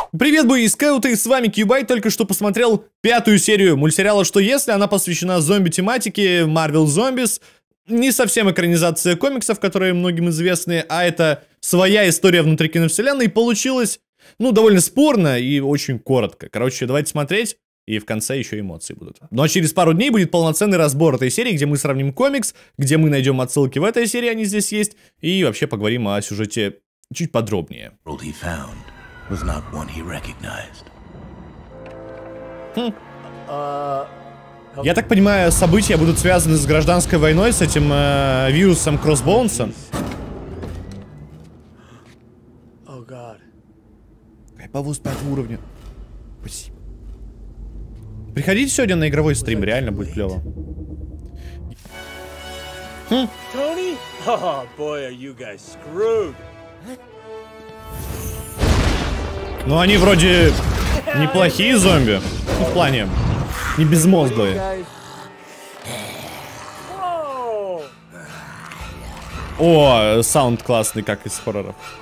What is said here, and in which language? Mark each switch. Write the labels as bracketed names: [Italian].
[Russian] Привет, бои и скауты, с вами Кьюбай, только что посмотрел пятую серию мультсериала «Что если?», она посвящена зомби-тематике, Marvel Zombies, не совсем экранизация комиксов, которые многим известны, а это своя история внутри киновселенной, получилось, ну, довольно спорно и очень коротко. Короче, давайте смотреть, и в конце еще эмоции будут. Ну, а через пару дней будет полноценный разбор этой серии, где мы сравним комикс, где мы найдем отсылки в этой серии, они здесь есть, и вообще поговорим о сюжете чуть подробнее. [English] Was not one he recognized. [Russian] Я так понимаю, события будут связаны с гражданской войной, с этим вирусом Кроссбоунсом. О, Бог. Кайповоз 5 уровня. Спасибо. Приходите сегодня на игровой стрим, реально будет клево. Тони? [English] О, boy, are you guys screwed. [Russian] Ну они вроде неплохие зомби, в плане, не безмозглые. О, саунд классный, как из хорроров.